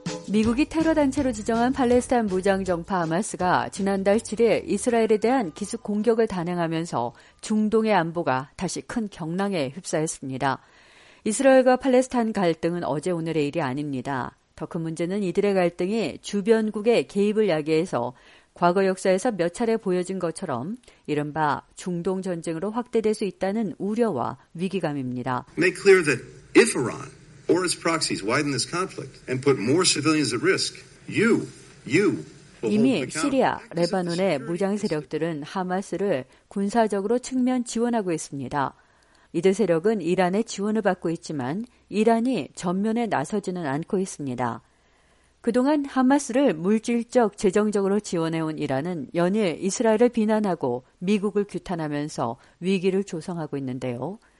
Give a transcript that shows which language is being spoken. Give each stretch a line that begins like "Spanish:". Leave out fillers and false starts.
Korean: 미국이 테러 단체로 지정한 팔레스타인 무장정파 하마스가 지난달 7일 이스라엘에 대한 기습 공격을 단행하면서 중동의 안보가 다시 큰 경랑에 휩싸였습니다. 이스라엘과 팔레스타인 갈등은 어제 오늘의 일이 아닙니다. 더 큰 문제는 이들의 갈등이 주변국의 개입을 야기해서 과거 역사에서 몇 차례 보여진 것처럼 이른바 중동 전쟁으로 확대될 수 있다는 우려와 위기감입니다.
English: Make clear that if Iran or its proxies widen this conflict and put more civilians at risk, you
Korean: 이미 시리아, 레바논의 무장 세력들은 하마스를 군사적으로 측면 지원하고 있습니다. 이들 세력은 이란의 지원을 받고 있지만 이란이 전면에 나서지는 않고 있습니다. 그동안 하마스를 물질적, 재정적으로 지원해온 이란은 연일 이스라엘을 비난하고 미국을 규탄하면서 위기를 조성하고 있는데요.